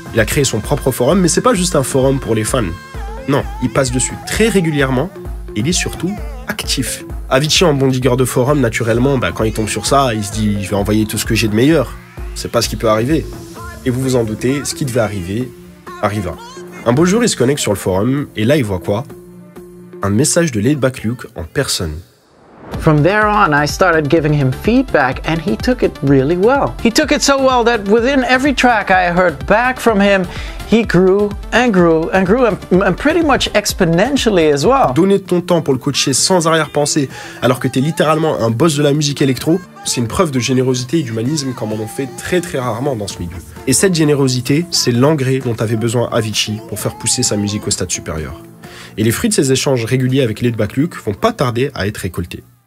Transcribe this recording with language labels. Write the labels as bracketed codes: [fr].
[fr] Il a créé son propre forum, mais c'est pas juste un forum pour les fans. Non, il passe dessus très régulièrement, et il est surtout actif. Avicii en bon digueur de forum, naturellement, ben, quand il tombe sur ça, il se dit « je vais envoyer tout ce que j'ai de meilleur ». C'est pas ce qui peut arriver. Et vous vous en doutez, ce qui devait arriver, arriva. Un beau jour, il se connecte sur le forum, et là il voit quoi? Un message de Laidback Luke en personne. [en] From there on, I started giving him feedback, and he took it really well. He took it so well that within every track I heard back from him, He grew and grew and grew and pretty much exponentially as well. [fr] Donner ton temps pour le coacher sans arrière-pensée alors que t'es littéralement un boss de la musique électro, c'est une preuve de générosité et d'humanisme comme on en fait très très rarement dans ce milieu. Et cette générosité, c'est l'engrais dont avait besoin Avicii pour faire pousser sa musique au stade supérieur. Et les fruits de ces échanges réguliers avec Led Back Luke vont pas tarder à être récoltés.